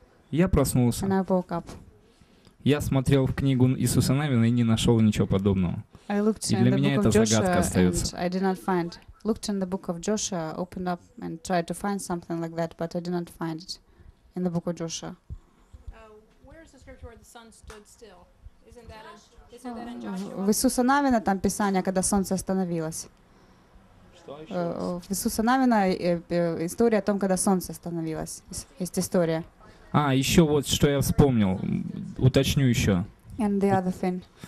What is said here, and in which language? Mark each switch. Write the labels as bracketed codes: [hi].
[ru] Я проснулся. Я смотрел в книгу Иисуса Навина и не нашел ничего подобного. И для меня эта загадка остается. [en] I did not find. Looked in the book of Joshua, opened up and tried to find something like that, but I did not find it in the book of Joshua. Where is the scripture where the sun stood still? Isn't that in Joshua? [ru] В Иисуса Навина там писание, когда солнце остановилось. В Иисуса Навина история о том, когда солнце остановилось. Есть история. А, еще вот что я вспомнил. Уточню еще. [en] And the other thing.